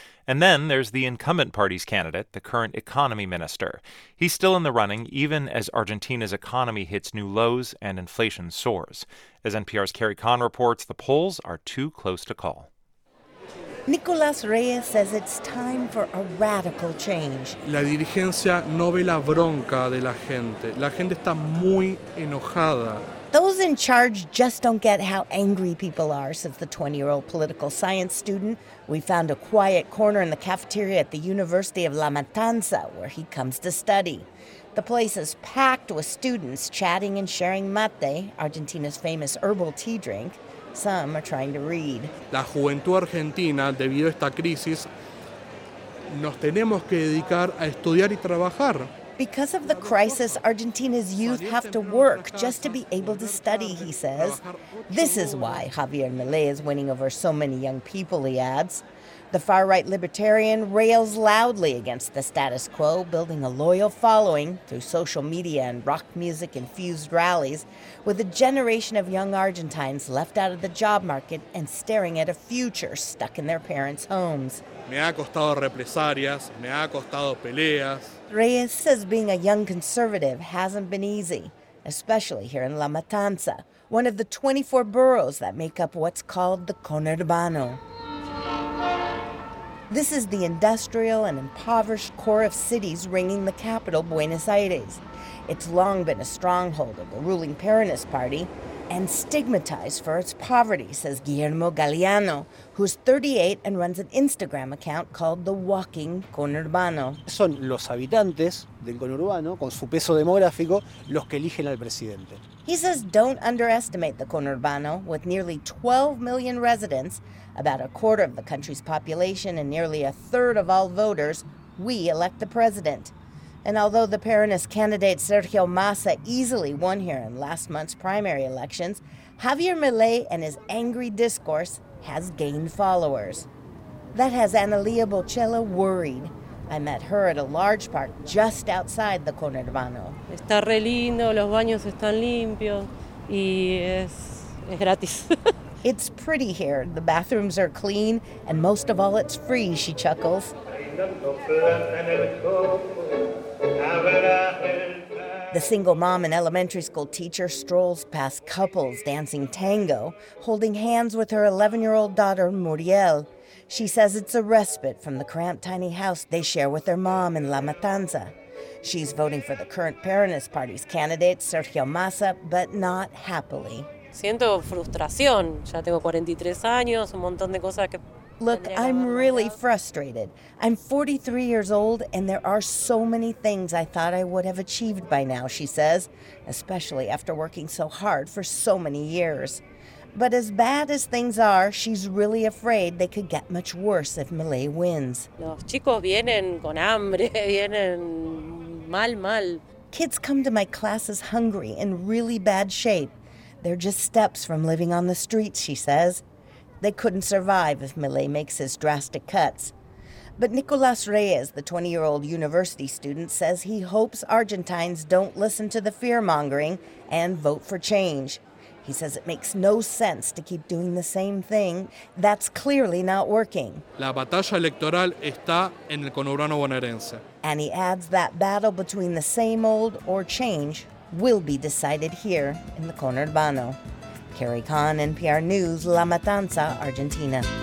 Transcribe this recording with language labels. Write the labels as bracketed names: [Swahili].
[English] And then there's the incumbent party's candidate, the current economy minister. He's still in the running, even as Argentina's economy hits new lows and inflation soars. As NPR's Kerry Kahn reports, the polls are too close to call. Nicolás Reyes says it's time for a radical change. [Spanish] La dirigencia no ve la bronca de la gente. La gente está muy enojada. [English] Those in charge just don't get how angry people are, says the 20-year-old political science student. We found a quiet corner in the cafeteria at the University of La Matanza, where he comes to study. The place is packed with students chatting and sharing mate, Argentina's famous herbal tea drink. Some are trying to read. [Spanish] La juventud argentina, debido a esta crisis, nos tenemos que dedicar a estudiar y trabajar. [English] Because of the crisis, Argentina's youth have to work just to be able to study, he says. This is why Javier Milei is winning over so many young people, he adds. The far-right libertarian rails loudly against the status quo, building a loyal following through social media and rock music-infused rallies, with a generation of young Argentines left out of the job market and staring at a future stuck in their parents' homes. [Spanish] Me ha costado represalias, me ha costado peleas. [English] Reyes says being a young conservative hasn't been easy, especially here in La Matanza, one of the 24 boroughs that make up what's called the conurbano. This is the industrial and impoverished core of cities ringing the capital, Buenos Aires. It's long been a stronghold of the ruling Peronist Party and stigmatized for its poverty, says Guillermo Galeano, who's 38 and runs an Instagram account called The Walking Conurbano. [Spanish] Son los habitantes del conurbano, con su peso demográfico, los que eligen al presidente. [English] He says don't underestimate the conurbano, with nearly 12 million residents, about a quarter of the country's population and nearly a third of all voters, we elect the president. And although the Peronist candidate Sergio Massa easily won here in last month's primary elections, Javier Milei and his angry discourse has gained followers. That has Analia Bocella worried. I met her at a large park just outside the conurbano. [Spanish] Está re lindo, los baños están limpios y es gratis. [English] It's pretty here. The bathrooms are clean, and most of all, it's free, she chuckles. The single mom and elementary school teacher strolls past couples dancing tango, holding hands with her 11-year-old daughter, Muriel. She says it's a respite from the cramped tiny house they share with their mom in La Matanza. She's voting for the current Peronist Party's candidate, Sergio Massa, but not happily. [Spanish] Siento frustración. Ya tengo 43 años, un montón de cosas que... [English] Look, I'm really frustrated. I'm 43 years old, and there are so many things I thought I would have achieved by now, she says, especially after working so hard for so many years. But as bad as things are, she's really afraid they could get much worse if Milei wins. [Spanish] Los chicos vienen con hambre, vienen mal, mal. [English] Kids come to my classes hungry, in really bad shape. They're just steps from living on the streets, she says. They couldn't survive if Milei makes his drastic cuts. But Nicolás Reyes, the 20-year-old university student, says he hopes Argentines don't listen to the fear-mongering and vote for change. He says it makes no sense to keep doing the same thing. That's clearly not working. [Spanish] La batalla electoral está en el conurbano bonaerense. [English] And he adds that battle between the same old or change will be decided here in the conurbano. Kerry Kahn, NPR News, La Matanza, Argentina.